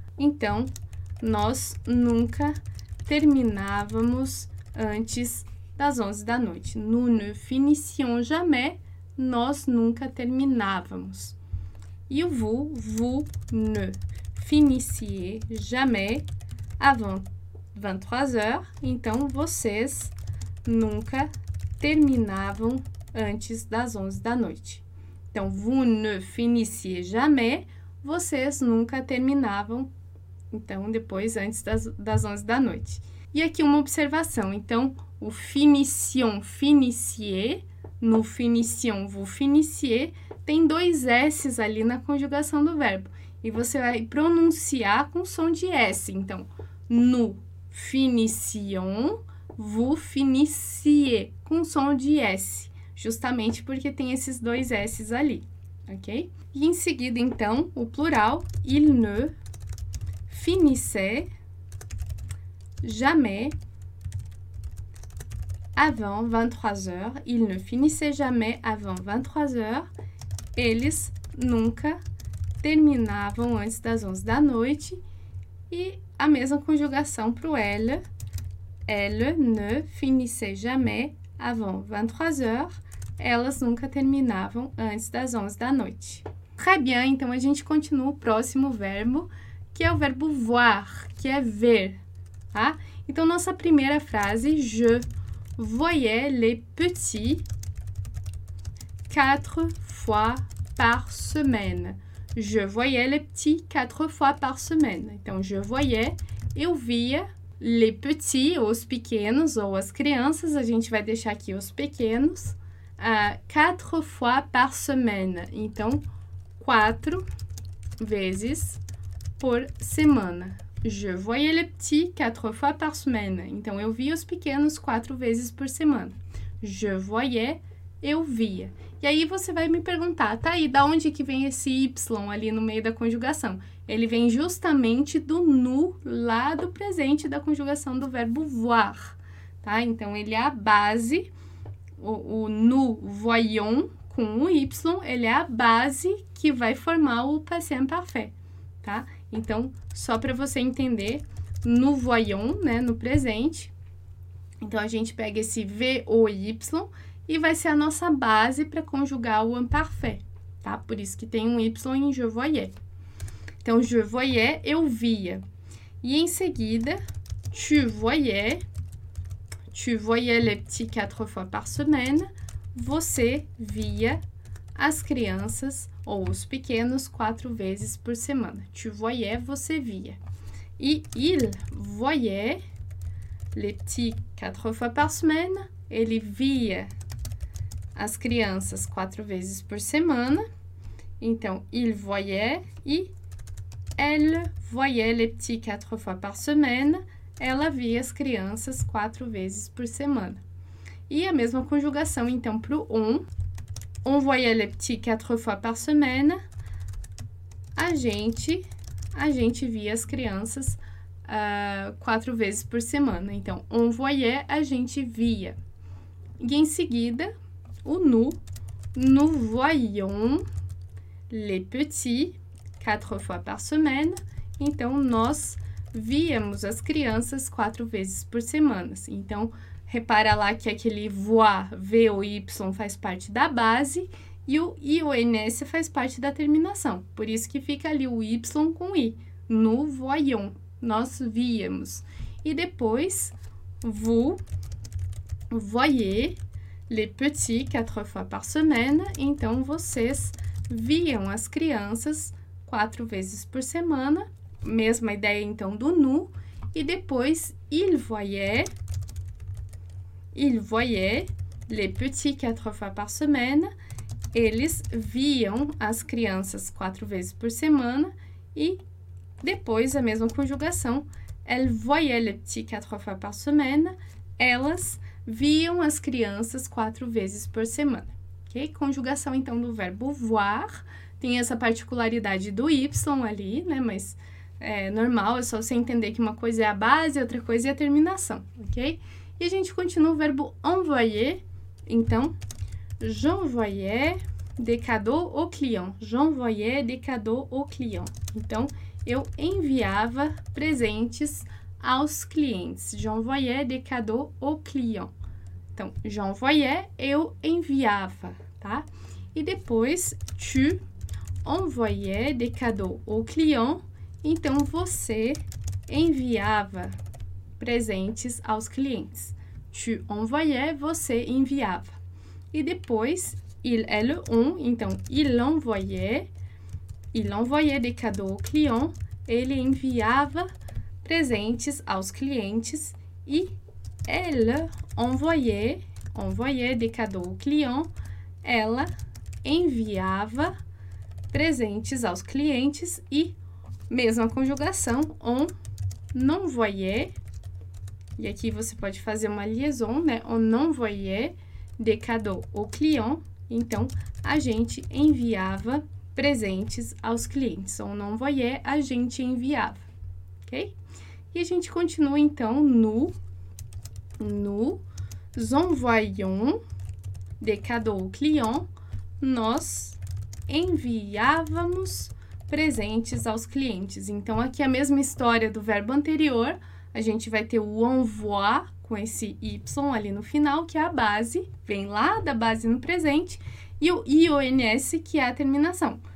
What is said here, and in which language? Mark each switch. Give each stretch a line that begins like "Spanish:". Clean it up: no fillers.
Portuguese: Então, nós nunca terminávamos antes das 11 da noite.
French: Nous ne finissions jamais,
Portuguese: nós nunca terminávamos. E o
French: vous ne finissiez jamais avant 23 heures.
Portuguese: Então, vocês nunca terminavam antes das 11 da noite. Então,
French: vous ne finissiez jamais,
Portuguese: vocês nunca terminavam, então, depois, antes das 11 da noite. E aqui uma observação. Então, o finition, finissiez, no finition, vous finissiez, tem dois S's ali na conjugação do verbo. E você vai pronunciar com som de S. Então,
French: nous finissions, vous finissiez,
Portuguese: com som de S. Justamente porque tem esses dois S's ali, ok? E em seguida, então, o plural,
French: il ne finissait jamais avant 23 heures. Il ne finissait jamais avant 23 heures.
Portuguese: Eles nunca terminavam antes das 11 da noite. E a mesma conjugação para o elle.
French: Elle ne finissait jamais avant 23 heures.
Portuguese: Elas nunca terminavam antes das 11 da noite.
French: Très bien,
Portuguese: então a gente continua o próximo verbo, que é o verbo voir, que é ver, tá? Então, nossa primeira frase,
French: je voyais les petits quatre fois par semaine. Je voyais les petits quatre fois par semaine.
Portuguese: Então,
French: je voyais,
Portuguese: eu via,
French: les petits,
Portuguese: os pequenos ou as crianças, a gente vai deixar aqui os pequenos,
French: quatre fois par semaine.
Portuguese: Então, quatro vezes por semana.
French: Je voyais les petits quatre fois par semaine.
Portuguese: Então, eu via os pequenos quatro vezes por semana.
French: Je voyais,
Portuguese: eu via. E aí, você vai me perguntar, tá aí, da onde que vem esse Y ali no meio da conjugação? Ele vem justamente do nu lá do presente da conjugação do verbo voir, tá? Então, ele é a base, o nu voyon com o Y, ele é a base que vai formar o passé imparfait, tá? Então, só para você entender, no voyons, né, no presente, então a gente pega esse V ou Y e vai ser a nossa base para conjugar o imparfait, tá? Por isso que tem um Y em
French: je voyais.
Portuguese: Então, je voyais, eu via. E em seguida,
French: tu voyais les petits quatre fois par semaine,
Portuguese: você via as crianças ou os pequenos quatro vezes por semana.
French: Tu voyais,
Portuguese: você via.
French: E il voyait les petits quatre fois par semaine.
Portuguese: Ele via as crianças quatro vezes por semana.
French: Então, il voyait e elle voyait les petits quatre fois par semaine.
Portuguese: Ela via as crianças quatro vezes por semana. E a mesma conjugação, então, para o on.
French: On voyait les petits quatre fois par semaine.
Portuguese: A gente via as crianças quatro vezes por semana. Então,
French: on voyait,
Portuguese: a gente via. E em seguida, o nu.
French: Nous voyons les petits quatre fois par semaine.
Portuguese: Então, nós víamos as crianças quatro vezes por semana. Então, repara lá que aquele voir, V ou Y, faz parte da base e o I ou NS faz parte da terminação. Por isso que fica ali o Y com I.
French: Nous voyons,
Portuguese: nós víamos. E depois,
French: vous voyez les petits quatre fois par semaine.
Portuguese: Então, vocês viam as crianças quatro vezes por semana. Mesma ideia, então, do nu.
French: E depois, il voyait les petits quatre fois par semaine.
Portuguese: Eles viam as crianças quatro vezes por semana. E depois, a mesma conjugação,
French: elle voyait les petits quatre fois par semaine.
Portuguese: Elas viam as crianças quatro vezes por semana. Ok? Conjugação, então, do verbo voir. Tem essa particularidade do Y ali, né? Mas é normal, é só você entender que uma coisa é a base, outra coisa é a terminação, ok? E a gente continua o verbo envoyer. Então,
French: j'envoyais des cadeaux au client. J'envoyais des cadeaux au client.
Portuguese: Então, eu enviava presentes aos clientes.
French: J'envoyais des cadeaux au client.
Portuguese: Então,
French: j'envoyais,
Portuguese: eu enviava, tá? E depois,
French: tu envoyais des cadeaux au client.
Portuguese: Então, você enviava presentes aos clientes.
French: Tu envoyais,
Portuguese: você enviava. E depois, il, elle, on.
French: Então, il envoyait des cadeaux au client.
Portuguese: Ele enviava presentes aos clientes.
French: E elle envoyait des cadeaux au client.
Portuguese: Ela enviava presentes aos clientes e mesma conjugação,
French: on, non voyait,
Portuguese: e aqui você pode fazer uma liaison, né?
French: On non voyait des cadeaux au client,
Portuguese: então, a gente enviava presentes aos clientes.
French: On non voyait,
Portuguese: a gente enviava, ok? E a gente continua, então, nous,
French: Nous envoyons des cadeaux aux clients.
Portuguese: Nós enviávamos presentes aos clientes. Então, aqui é a mesma história do verbo anterior. A gente vai ter o envoyer com esse Y ali no final, que é a base. Vem lá da base no presente. E o ions, que é a terminação.